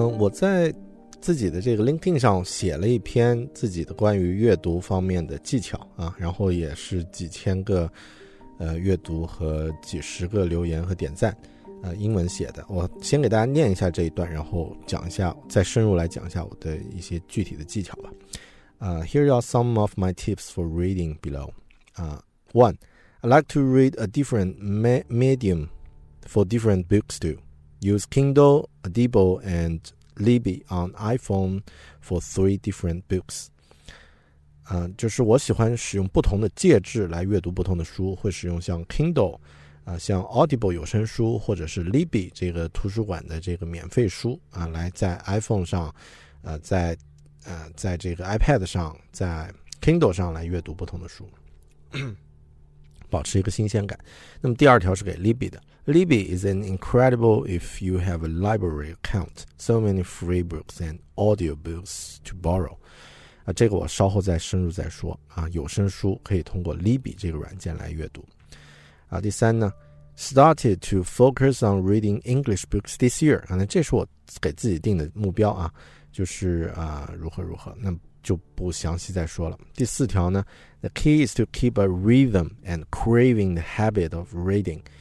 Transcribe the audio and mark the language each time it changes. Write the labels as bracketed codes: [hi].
[zh] 在自己的这个 LinkedIn 上写了一篇自己的关于阅读方面的技巧啊，然后也是几千个阅读和几十个留言和点赞英文写的，我先给大家念一下这一段，然后讲一下再深入来讲一下我的一些具体的技巧吧。 [en] Here are some of my tips for reading below. One, I like to read a different medium for different books too. Use Kindle, Audible andLibby on iPhone for 3 different books. [zh] 就是我喜欢使用不同的介质来阅读不同的书，会使用像 Kindle, 像 Audible 有声书，或者是 Libby 这个图书馆的这个免费书来在 iPhone 上在这个 iPad 上在 Kindle 上来阅读不同的书，保持一个新鲜感。那么第二条是给 Libby 的。 [en] Libby is an incredible if you have a library account. So many free books and audiobooks to borrow. [zh] 这个我稍后再深入再说。有声书可以通过 Libby 这个软件来阅读。第三呢， [en] started to focus on reading English books this year. [zh] 那这是我给自己定的目标啊，就是啊、如何如何，那就不详细再说了。第四条呢 [en] ，The key is to keep a rhythm and craving the habit of reading.